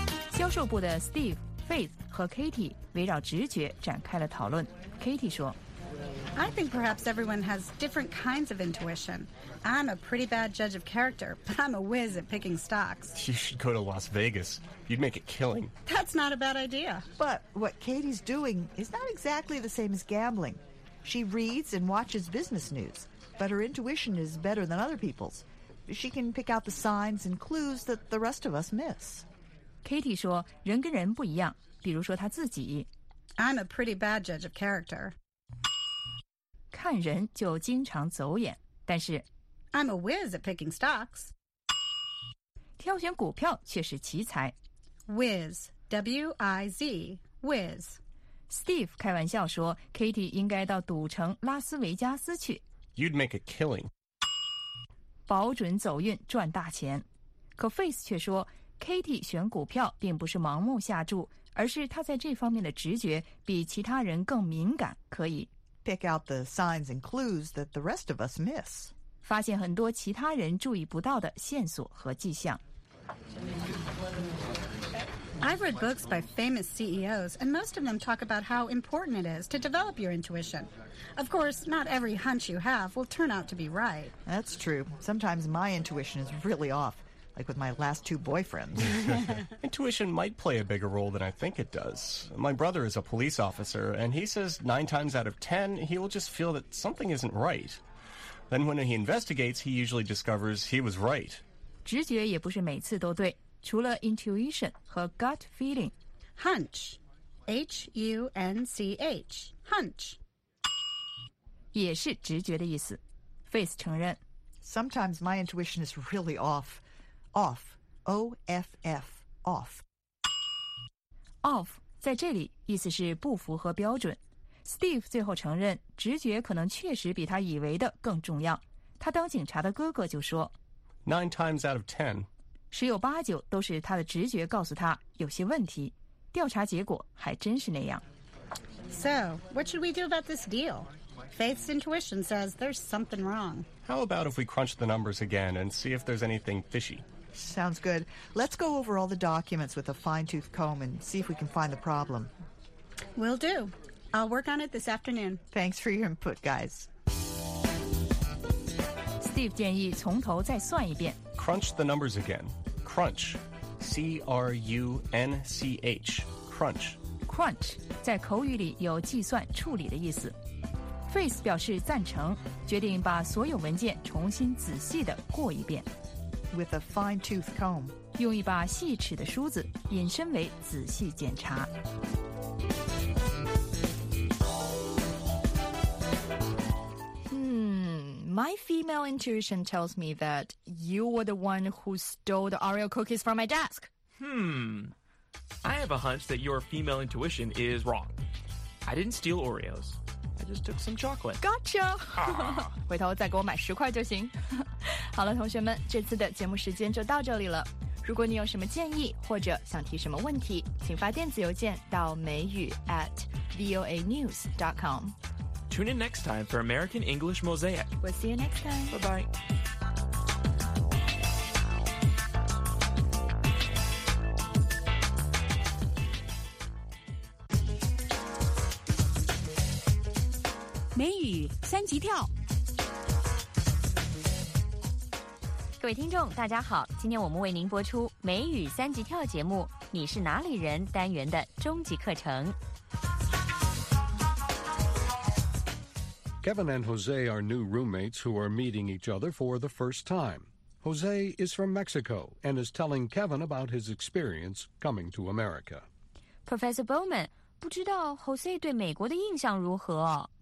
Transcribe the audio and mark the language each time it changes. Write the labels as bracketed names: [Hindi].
[Chinese] 销售部的 Steve, Faith 和 Katie 围绕直觉展开了讨论。 Katie 说 [English] I think perhaps everyone has different kinds of intuition. I'm a pretty bad judge of character, but I'm a whiz at picking stocks. You should go to Las Vegas. You'd make a killing. That's not a bad idea. But what Katie's doing is not exactly the same as gambling. She reads and watches business news, but her intuition is better than other people's. She can pick out the signs and clues that the rest of us miss. [Chinese] Katie 说人跟人不一样，比如说她自己。 [English] I'm a pretty bad judge of character. [Chinese] 看人就经常走眼，但是 [English] I'm a whiz at picking stocks. [Chinese] 挑选股票却是奇才。 [English] Whiz, W-I-Z, whiz. [Chinese] Steve 开玩笑说 Katie 应该到赌城拉斯维加斯去。 [English] You'd make a killing. [Chinese] 保准走运赚大钱。可 Face 却说 Katie 选股票并不是盲目下注，而是她在这方面的直觉比其他人更敏感，可以 [English] Pick out the signs and clues that the rest of us miss. [Chinese] 发现很多其他人注意不到的线索和迹象。 [English] I've read books by famous CEOs, and most of them talk about how important it is to develop your intuition. Of course, not every hunch you have will turn out to be right. That's true. Sometimes my intuition is really off, like with my last two boyfriends. Intuition might play a bigger role than I think it does. My brother is a police officer, and he says 9 times out of 10, he will just feel that something isn't right. Then when he investigates, he usually discovers he was right. [Chinese] 直觉也不是每次都对，除了 intuition 和 gut feeling. [English] Hunch. H-U-N-C-H. Hunch. [Chinese] 也是直觉的意思。Face 承认。 [English] Sometimes my intuition is really off. Off, O-F-F, off. [Chinese] Off, 在这里意思是不符合标准。Steve 最后承认直觉可能确实比他以为的更重要。他当警察的哥哥就说 [English] 9 times out of 10. [Chinese] 十有八九都是他的直觉告诉他有些问题。调查结果还真是那样。 [English] So, what should we do about this deal? Faith's intuition says there's something wrong. How about if we crunch the numbers again and see if there's anything fishy? Sounds good. Let's go over all the documents with a fine-tooth comb and see if we can find the problem. Will do. I'll work on it this afternoon. Thanks for your input, guys. [Chinese] Steve 建议从头再算一遍。 [English] Crunch the numbers again. Crunch. C-R-U-N-C-H. Crunch. [Chinese] Crunch 在口语里有计算、处理的意思。 Face 表示赞成，决定把所有文件重新仔细地过一遍。 [English] With a fine-tooth comb. [Chinese] 用一把细齿的梳子引申为仔细检查。 [English] My female intuition tells me that you were the one who stole the Oreo cookies from my desk. I have a hunch that your female intuition is wrong. I didn't steal Oreos. I just took some chocolate. Gotcha! [Chinese] 回头再给我买10块就行。好了，同学们，这次的节目时间就到这里了。如果你有什么建议或者想提什么问题，请发电子邮件到美语 @voanews.com. [English] Tune in next time for American English Mosaic. We'll see you next time. Bye-bye. [Chinese] 美语三级跳。各位听众大家好，今天我们为您播出美语三级跳节目你是哪里人单元的终极课程。 [English] Kevin and Jose are new roommates who are meeting each other for the first time. Jose is from Mexico and is telling Kevin about his experience coming to America. [Chinese] Professor Bowman, 不知道 Jose 对美国的印象如何？